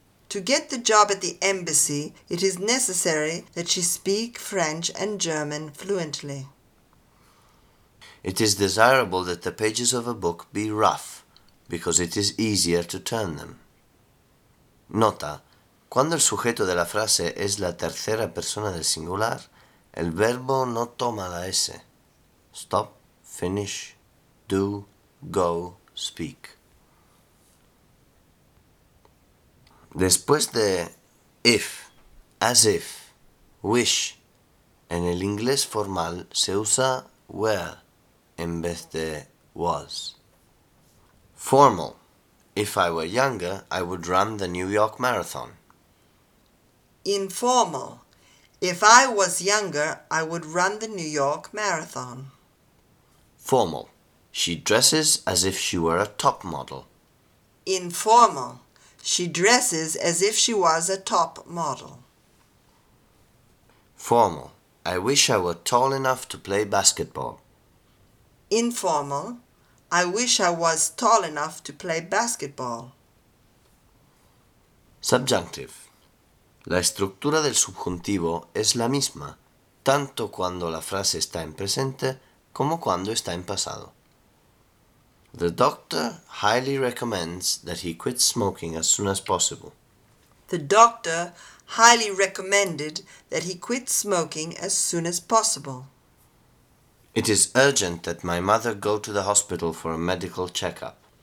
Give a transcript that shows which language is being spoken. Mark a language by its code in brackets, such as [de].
[en] To get the job at the embassy, it is necessary that she speak French and German fluently. It is desirable that the pages of a book be rough, because it is easier to turn them. [es] Nota: cuando el sujeto de la frase es la tercera persona del singular, el verbo no toma la S. [en] Stop, finish, do, go, speak. [es] Después de if, as if, wish, en el inglés formal se usa were en vez de was. [en] Formal. If I were younger, I would run the New York Marathon. Informal. If I was younger, I would run the New York Marathon. Formal. She dresses as if she were a top model. Informal. She dresses as if she was a top model. Formal. I wish I were tall enough to play basketball. Informal. I wish I was tall enough to play basketball. Subjunctive. [es] La estructura del subjuntivo es la misma, tanto cuando la frase está en presente como cuando está en pasado. [en] The doctor highly recommends that he quit smoking as soon as possible. The doctor highly recommended that he quit smoking as soon as possible. It is urgent that my mother go to the hospital for a medical checkup.